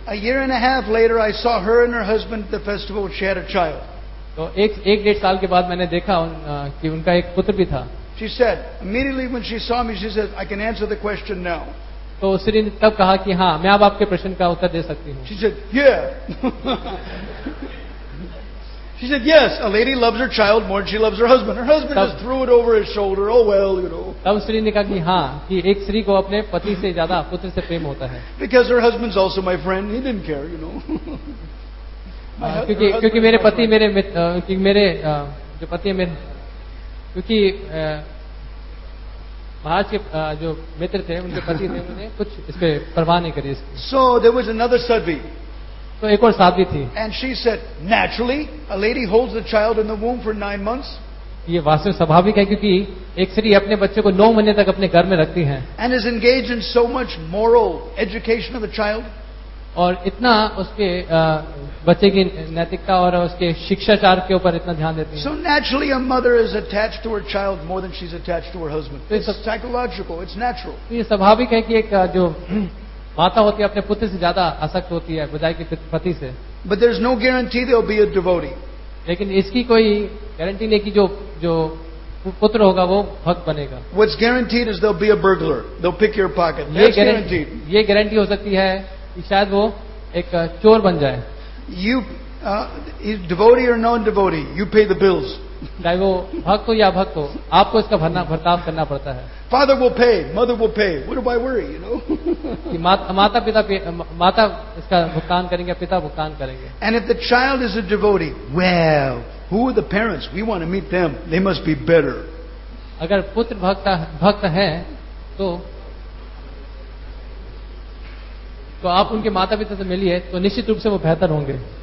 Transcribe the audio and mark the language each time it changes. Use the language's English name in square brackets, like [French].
[English] A year and a half later, I saw her and her husband at the festival and she had a child. [Hindi] तो एक डेढ़ साल के बाद मैंने देखा कि उनका एक पुत्र भी था. [English] She said, immediately when she saw me, she said, I can answer the question now. [Hindi] तो उसने तब कहा कि हाँ मैं अब आपके प्रश्न का उत्तर दे सकती हूँ. [English] She said, yeah. She said, yes, a lady loves her child more than she loves her husband. Her husband just threw it over his shoulder. Oh, well, you know. [Hindi] तब स्त्री ने कहा कि हाँ, कि एक स्त्री को अपने पति से ज्यादा पुत्र से प्रेम होता है. [English] Because her husband's also my friend. He didn't care, you know. [Hindi] क्योंकि मेरे पति मेरे मित्र मेरे जो पति है मेरे क्योंकि महाराज के जो मित्र थे उनके पति थे उन्होंने कुछ इस पर परवाह नहीं करी. [English] So there was another sadhvi. [Hindi] तो एक और साध्वी थी. [English] And she said, naturally, a lady holds the child in the womb for 9 months. [Hindi] ये वास्तव स्वाभाविक है क्योंकि एक स्त्री अपने बच्चे को 9 महीने तक अपने घर में रखती है. [English] And is engaged in so much moral education of the child. [Hindi] और इतना उसके बच्चे की नैतिकता और उसके शिक्षाचार के ऊपर इतना ध्यान देती है. [English] So naturally, a mother is attached to her child more than she's attached to her husband. It's psychological. It's natural. [Hindi] ये स्वाभाविक है कि एक जो माता होती है अपने पुत्र से ज्यादा आसक्त होती है बजाय के पति से. [English] But there's no guarantee there will be a devotee. [Hindi] लेकिन इसकी कोई गारंटी नहीं कि जो जो पुत्र होगा वो भक्त बनेगा. [English] What's guaranteed is there'll be a burglar. They'll pick your pocket. That's guaranteed. [Hindi] ये गारंटी हो सकती है कि शायद वो एक चोर बन जाए. [English] You devotee or non-devotee, you pay the bills. [Hindi] चाहे वो भक्त हो या अभक्त हो आपको इसका भरताव करना पड़ता है. [English] Father will pay, mother will pay. What do I worry, you know? [Hindi] माता पिता माता इसका भुगतान करेंगे पिता भुगतान करेंगे. [English] And if the child is a devotee, well, who are the parents? We want to meet them. They must be better. [Hindi] अगर पुत्र भक्त है तो आप उनके माता पिता से मिलिए तो निश्चित रूप से वो बेहतर होंगे.